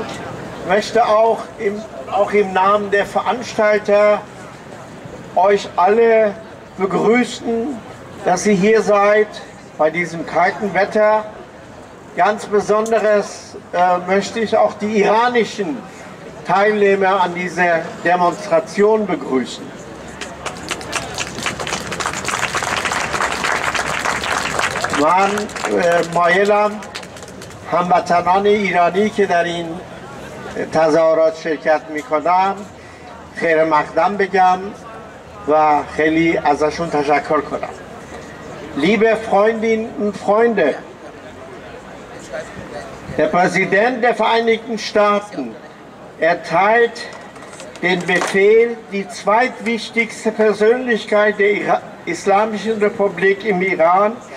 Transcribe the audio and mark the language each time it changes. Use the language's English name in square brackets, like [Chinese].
[German] Ich möchte auch im Namen der Veranstalter euch alle begrüßen, dass ihr hier seid bei diesem kalten Wetter. Ganz Besonderes möchte ich auch die iranischen Teilnehmer an dieser Demonstration begrüßen. [Persian] من مایلم هموطنان ایرانی که در این تظاهرات شرکت میکنن خیر مقدم بگم و خیلی ازشون تشکر کنم. [German] Liebe Freundinnen und Freunde, der Präsident der Vereinigten Staaten erteilt den Befehl, die zweitwichtigste Persönlichkeit der Islamischen Republik im Iran